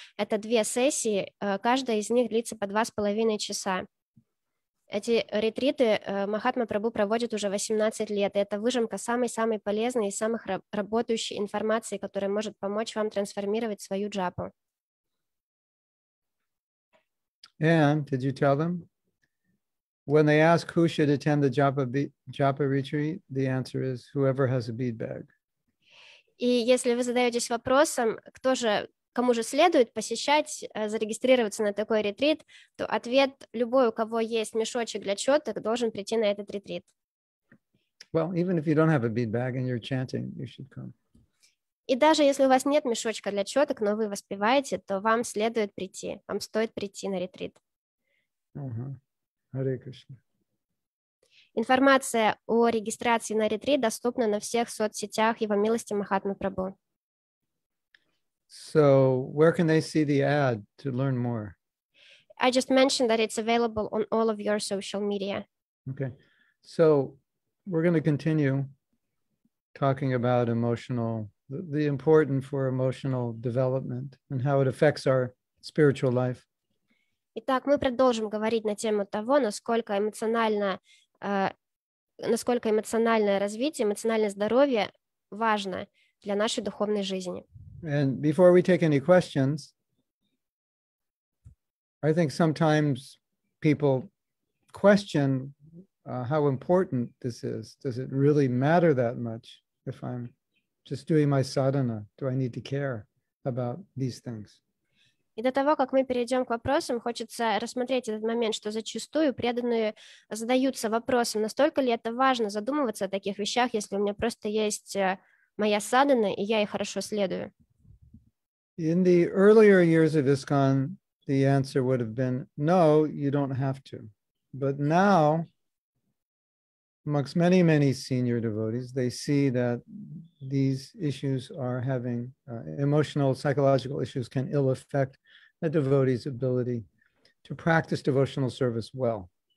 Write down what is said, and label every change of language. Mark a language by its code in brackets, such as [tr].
[ru] Это две сессии, каждая из них длится по 2,5 часа. Эти ретриты Махатма Прабху проводит уже 18 лет. Это выжимка самой-самой полезной и самых работающей информации, которая может помочь вам трансформировать свою джапу. [en] And did you tell them? When they ask who should attend the japa retreat, the answer is whoever has a bead bag. [ru] И если вы задаетесь вопросом, кто же, кому же следует посещать, зарегистрироваться на такой ретрит, то ответ – любой, у кого есть мешочек для чёток, должен прийти на этот ретрит. [en] Well, even if you don't have a bead bag and you're chanting, you should come. [ru] И даже если у вас нет мешочка для чёток, но вы воспеваете, то вам следует прийти, вам стоит прийти на ретрит. [sa] Hare Krishna. [ru] Информация о регистрации на ретрит доступна на всех соцсетях Его Милости Махатмы Прабху. [en] So, where can they see the ad to learn more? I just mentioned that it's available on all of your social media. Okay, so we're going to continue talking about emotional, the importance for emotional development and how it affects our spiritual life. [ru] Итак, мы продолжим говорить на тему того, насколько эмоциональное развитие, эмоциональное здоровье важно для нашей духовной жизни. [en] And before we take any questions, I think sometimes people question how important this is. Does it really matter that much if I'm just doing my sadhana? Do I need to care about these things? [ru] И до того, как мы перейдем к вопросам, хочется рассмотреть этот момент, что зачастую преданные задаются вопросом, настолько ли это важно задумываться о таких вещах, если у меня просто есть моя садхана, и я ей хорошо следую. [en] In the earlier years of ISKCON, the answer would have been, no, you don't have to. But now, amongst many, many senior devotees, they see that these issues are having emotional, psychological issues can ill affect a devotee's ability to practice devotional service well.